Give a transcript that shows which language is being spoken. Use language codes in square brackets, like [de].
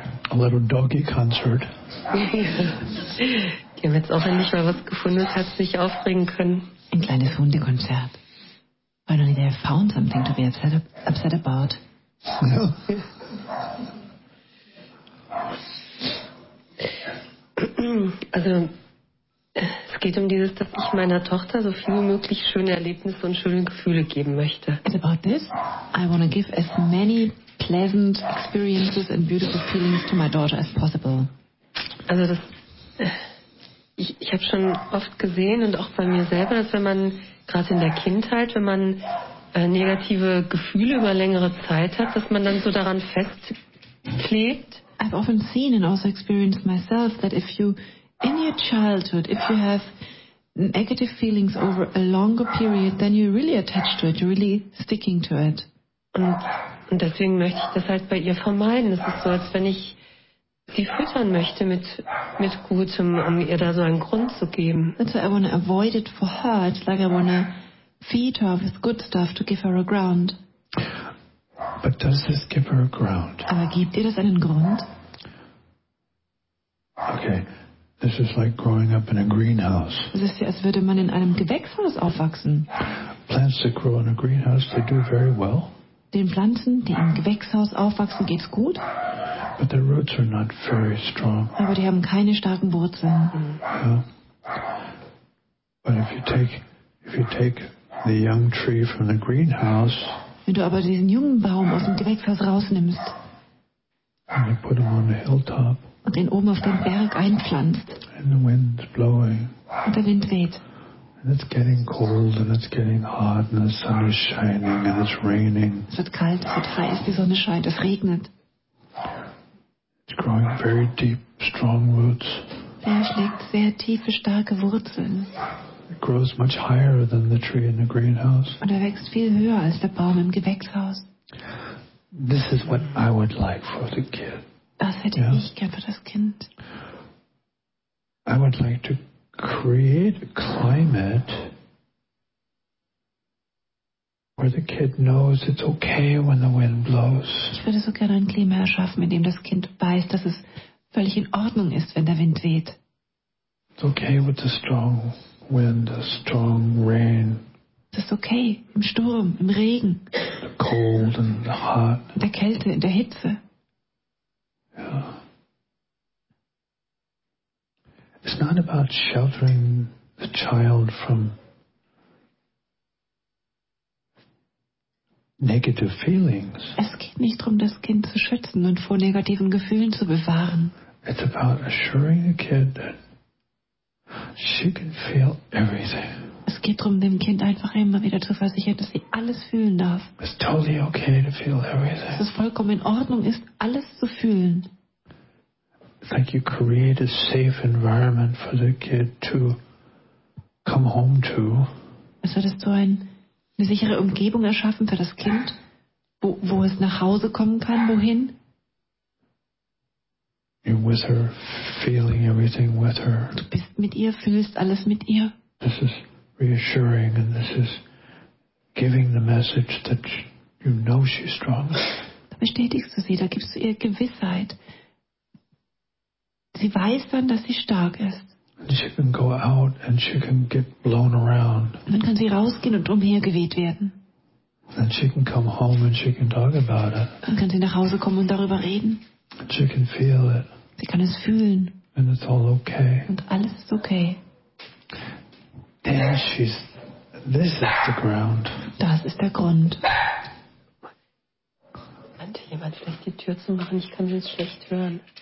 [en] A little doggy concert. [de] Die haben jetzt auch endlich mal was gefunden, das hat sich aufregen können. Ein kleines Hundekonzert. [en] Finally they have found something to be upset about. [de] Ja. Also es geht um dieses, dass ich meiner Tochter so viel wie möglich schöne Erlebnisse und schöne Gefühle geben möchte. [en] It's about this. I want to give as many pleasant experiences and beautiful feelings to my daughter as possible. [de] Also das, ich habe schon oft gesehen und auch bei mir selber, dass wenn man gerade in der Kindheit, wenn man negative Gefühle über längere Zeit hat, dass man dann so daran festklebt. [en] I've often seen and also experienced myself that if you in your childhood, if you have negative feelings over a longer period, then you're really attached to it, you're really sticking to it. [de] Und deswegen möchte ich das halt bei ihr vermeiden. Es ist so, als wenn ich sie füttern möchte mit Gutem, um ihr da so einen Grund zu geben. [en] So I want to avoid it for her. It's like I want to feed her with good stuff to give her a ground. But does this give her a ground? [de] Aber gibt ihr das einen Grund? [en] Okay, this is like growing up in a greenhouse. [de] Das ist ja, als würde man in einem Gewächshaus aufwachsen. [en] Plants that grow in a greenhouse, they do very well. [de] Den Pflanzen, die im Gewächshaus aufwachsen, geht's gut. [en] But their roots are not very strong. [de] Aber die haben keine starken Wurzeln. [en] Yeah. But if you take the young tree from the greenhouse. [de] Wenn du aber diesen jungen Baum aus dem Gewächshaus rausnimmst. [en] And you put him on the hilltop. [de] Und den oben auf den Berg einpflanzt. [en] And the wind's blowing. [de] Und der Wind weht. [en] And it's getting cold and it's getting hot and the sun is shining and it's raining. [de] Es wird kalt, es wird heiß, die Sonne scheint, es regnet. [en] It's growing very deep, strong roots. [de] Er schlägt sehr tiefe, starke Wurzeln. [en] It grows much higher than the tree in the greenhouse. [de] Und er wächst viel höher als der Baum im Gewächshaus. [en] This is what I would like for the kid. [de] Das hätte yeah. ich gern für das Kind. [en] I would like to create a climate where the kid knows it's okay when the wind blows. [de] Ich würde so gerne ein Klima erschaffen, in dem das Kind weiß, dass es völlig in Ordnung ist, wenn der Wind weht. [en] It's okay with the strong wind, the strong rain. [de] Es ist okay im Sturm, im Regen. [en] The cold and the hot. [de] In der Kälte, in der Hitze. [en] Yeah. It's not about sheltering the child from negative feelings. [de] Es geht nicht darum, das Kind zu schützen und vor negativen Gefühlen zu bewahren. [en] It's about assuring the kid that she can feel everything. [de] Es geht darum, dem Kind einfach immer wieder zu versichern, dass sie alles fühlen darf. [en] It's totally okay to feel everything. [de] Dass es vollkommen in Ordnung ist, alles zu fühlen. [en] It's like you create a safe environment for the kid to come home to. [de] Also, dass du eine sichere Umgebung erschaffen für das Kind, wo es nach Hause kommen kann, wohin? [en] You're with her, feeling everything with her. [de] Du bist mit ihr, fühlst alles mit ihr. [en] This is reassuring and this is giving the message that you know she's strong. [de] Da bestätigst du sie, da gibst du ihr Gewissheit. Sie weiß dann, dass sie stark ist. [en] And she can go out and she can get blown around. [de] Und dann kann sie rausgehen und umhergeweht werden. [en] And she can come home and she can talk about it. [de] Dann kann sie nach Hause kommen und darüber reden. [en] And she can feel it. [de] Sie kann es fühlen. [en] And it's all okay. [de] Und alles ist okay. [en] There she's. This is the ground. [de] Das ist der Grund. Manche jemand vielleicht die Tür zu machen. Ich kann sie jetzt schlecht hören.